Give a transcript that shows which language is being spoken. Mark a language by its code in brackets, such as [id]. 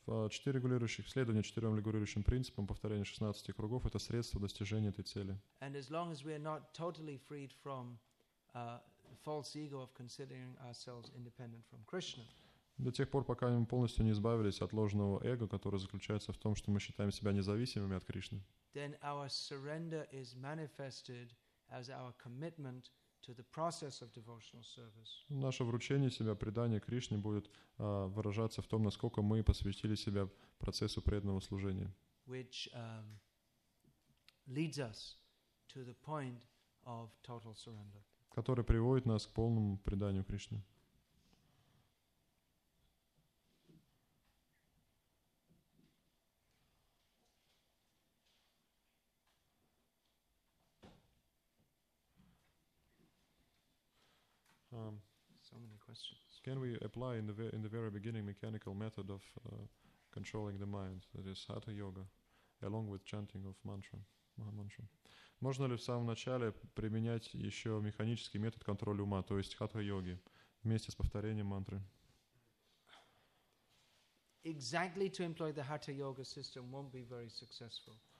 [ru] Следование четырем регулирующим принципам, повторение 16 кругов — это средство достижения этой цели. [en] And as long as we are not totally freed from false ego of considering ourselves independent from Krishna. [ru] До тех пор, пока мы полностью не избавились от ложного эго, которое заключается в том, что мы считаем себя независимыми от Кришны. [en] Then our surrender is manifested as our commitment to the process of devotional service. [ru] Наше вручение себя, предание Кришне будет выражаться в том, насколько мы посвятили себя процессу преданного служения. [en] Which leads us to to the point of total surrender. [ru] Который приводит нас к полному преданию Кришне. [en] So many questions. Can we apply in the very beginning mechanical method of controlling the mind, that is Hatha Yoga, along with chanting of mantra, Maha Mantra? [ru] Можно ли в самом начале применять еще механический метод контроля ума, то есть Хатха Йоги, вместе с повторением мантры? [en] Exactly to employ the Hatha Yoga system won't be very successful.